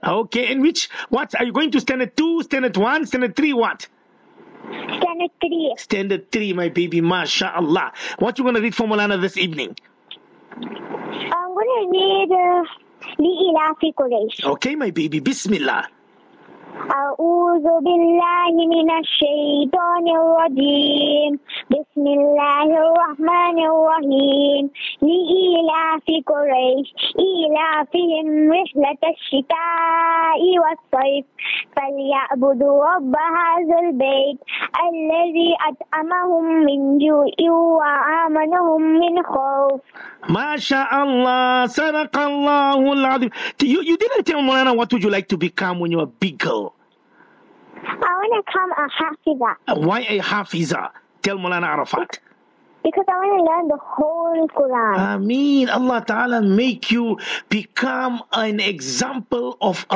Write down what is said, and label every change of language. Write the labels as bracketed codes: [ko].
[en] Okay, and which, what, are you going to standard 2, standard 1, standard 3, what? Standard 3. Standard 3, my baby, mashallah. What you going to read for Mulana this evening? I'm going to read Li'ilafi Quraysh. Okay, my baby, bismillah. [ar] أعوذ بالله من الشيطان الرجيم بسم الله الرحمن الرحيم لإيلاف قريش إيلافهم رحلة الشتاء والصيف فليعبدوا رب هذا البيت الذي أطعمهم من جوع وآمنهم من خوف. ما شاء الله صدق الله العظيم. [en] You didn't tell Mulana what would you like to become when you were a big girl? I want to become a Hafiza. Why a Hafiza? Tell Mulana Arafat. Because I want to learn the whole Quran. Ameen. Allah Ta'ala make you become an example of a...